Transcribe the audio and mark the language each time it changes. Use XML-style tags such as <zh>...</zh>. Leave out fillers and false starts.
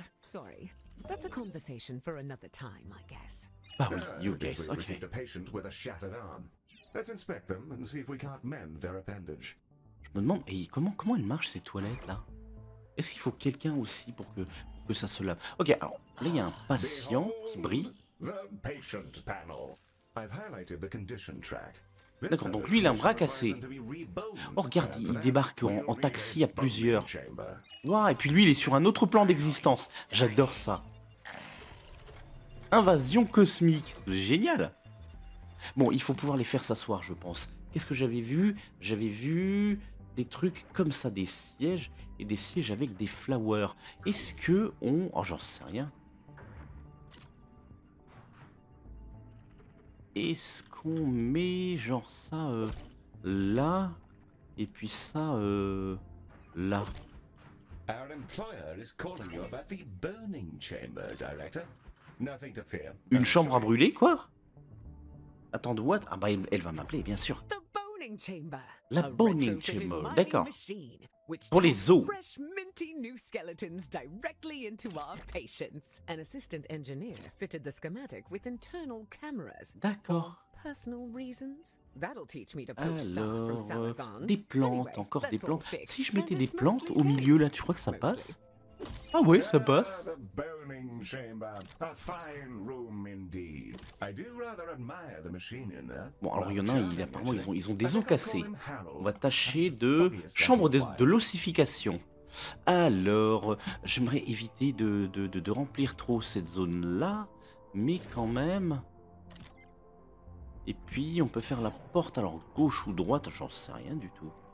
<en>Sorry, that's a conversation for another time, I guess. Oh, you guess. Okay. We received a patient with a shattered arm. Let's inspect them and see if we can't mend their appendage.</en> <fr>Je me demande, hey, comment elles marchent ces toilettes là? Est-ce qu'il faut quelqu'un aussi pour que ça se lave? Ok, alors là il y a un patient qui brille.</fr> <en>The patient panel. I've highlighted the condition track.</en> <fr>D'accord, donc lui il a un bras cassé. Oh regarde, il débarque en taxi à plusieurs. Waouh, et puis lui il est sur un autre plan d'existence. J'adore ça. Invasion cosmique. Génial. Bon, il faut pouvoir les faire s'asseoir, je pense. Qu'est-ce que j'avais vu? J'avais vu des trucs comme ça, des sièges. Et des sièges avec des flowers. Est-ce que on... Oh, j'en sais rien. Est-ce qu'on met genre ça là et puis ça là?</fr> <en>Our employer is calling you about the burning chamber, director. Nothing to fear.</en> <fr>Une chambre à brûler quoi? Attends,</fr> <en>what?</en> <fr>Ah bah elle va m'appeler bien sûr.</fr> <en>The burning chamber.</en> <fr>La</fr> <en>burning chamber,</en> <fr>d'accord. Pour les os.</fr> <en>Fresh minty new skeletons directly into our patients. An assistant engineer fitted the schematic with internal cameras.</en> <fr>D'accord.</fr> <en>Personal reasons. That'll teach me to poke</en> <fr>alors,</fr> <en>stuff from Salazar.</en> <fr>Des plantes,</fr> <en>anyway,</en> <fr>encore des plantes. Si je mettais des plantes au milieu là, tu crois que ça passe? Ah ouais, ça passe.</fr> <en>The burning chamber. A fine room indeed. I do rather admire the machine in there.</en> <fr>Bon, alors il y en a un, il, apparemment ils ont des os cassés. On va tâcher de chambre de l'ossification. Alors, j'aimerais éviter de remplir trop cette zone-là, mais quand même. Et puis on peut faire la porte alors gauche ou droite, j'en sais rien du tout.</fr>